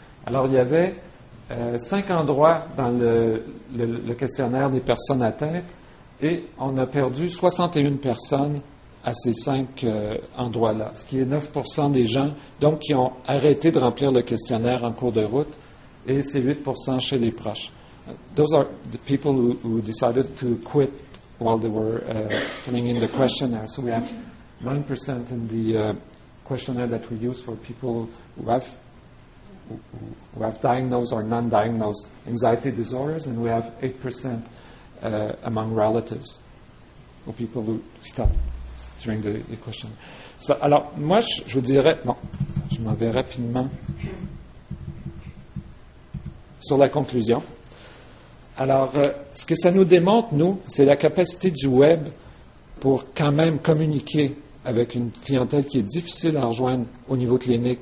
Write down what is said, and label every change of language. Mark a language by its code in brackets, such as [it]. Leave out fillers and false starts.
[fr] Alors, il y avait 5 endroits dans le questionnaire des personnes atteintes, et on a perdu 61 personnes à ces 5 endroits-là, ce qui est 9% des gens, donc qui ont arrêté de remplir le questionnaire en cours de route, et c'est 8% chez les proches. [en] Those are the people who decided to quit while they were filling in the questionnaire. So we have 9% in the questionnaire that we use for people who have diagnosed or non-diagnosed anxiety disorders, and we have 8% among relatives or people who stop during the question. [fr] So, alors, moi, je vous dirais, bon, je m'en vais rapidement sur la conclusion. Alors, ce que ça nous démontre, nous, c'est la capacité du web pour quand même communiquer avec une clientèle qui est difficile à rejoindre au niveau clinique.